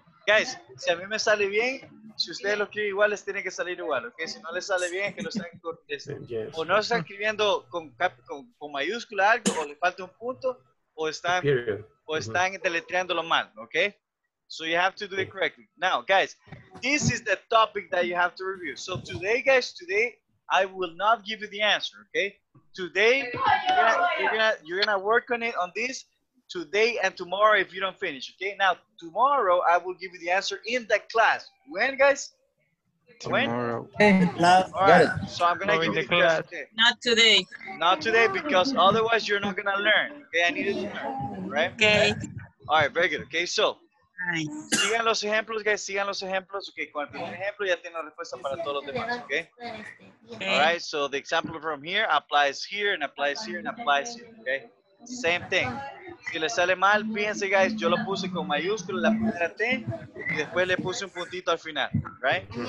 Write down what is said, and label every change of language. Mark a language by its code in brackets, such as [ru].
[es] Guys, si a mí me sale bien, si ustedes lo escriben igual, les tiene que salir igual, okay? Si no les sale bien, es que lo están o no están escribiendo con mayúscula algo, o le falta un punto, o están, o están deletreándolo mal, okay? [en] So you have to do it correctly. Now, guys, this is the topic that you have to review. So today, guys, today, I will not give you the answer, okay? Today, you're gonna work on it on this today and tomorrow if you don't finish, okay? Now, tomorrow, I will give you the answer in the class. When, guys? Tomorrow. When? All right, so I'm gonna give you the class. Okay. Not today. Not today, because otherwise you're not gonna learn. Okay, I need you to learn, right? Okay. All right, very good, okay? [es] So, sigan los ejemplos, guys, sigan los ejemplos. Okay, con el primer ejemplo ya tiene la respuesta para todos los demás, okay? [en] All right, so the example from here applies here and applies here and applies here, okay? Same thing. [es] Si le sale mal, fíjense, guys, yo lo puse con mayúscula la primera T y después le puse un puntito al final, right?